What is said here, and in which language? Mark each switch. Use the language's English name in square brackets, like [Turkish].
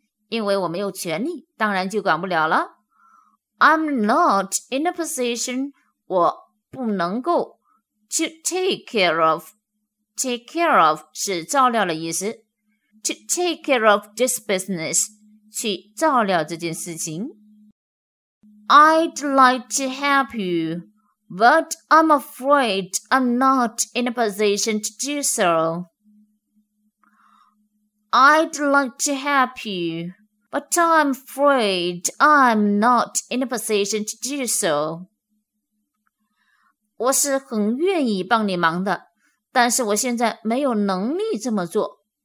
[Chinese] 因为我没有权利，当然就管不了了。 [English] I'm not in a position, [Chinese] 我不能够 [English] to take care of. [Chinese] Take care of 是照料的意思。 [English] To take care of this business, [Chinese] 去照料这件事情。 [English] I'd like to help you, but I'm afraid I'm not in a position to do so. I'd like to help you, but I'm afraid I'm not in a position to do so. [Chinese] 我是很愿意帮你忙的，但是我现在没有能力这么做。